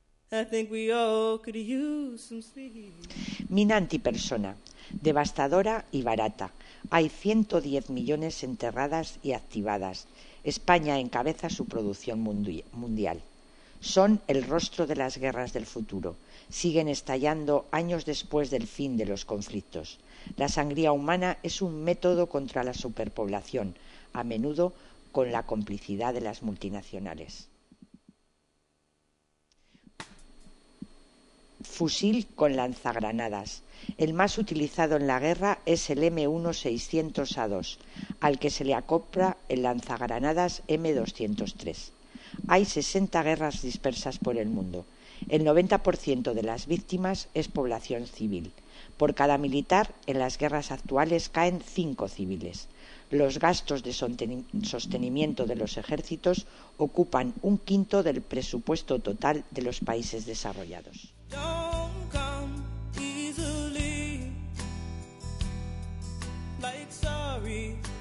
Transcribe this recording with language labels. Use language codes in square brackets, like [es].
[en] I think we all could use some sleep. [es] Mina antipersona, devastadora y barata. Hay 110 millones enterradas y activadas. España encabeza su producción mundial. Son el rostro de las guerras del futuro. Siguen estallando años después del fin de los conflictos. La sangría humana es un método contra la superpoblación, a menudo con la complicidad de las multinacionales. Fusil con lanzagranadas. El más utilizado en la guerra es el M1-600A2, al que se le acopla el lanzagranadas M203. Hay 60 guerras dispersas por el mundo. El 90% de las víctimas es población civil. Por cada militar, en las guerras actuales caen 5 civiles. Los gastos de sostenimiento de los ejércitos ocupan 1/5 del presupuesto total de los países desarrollados. [en] Don't come easily, like sorry,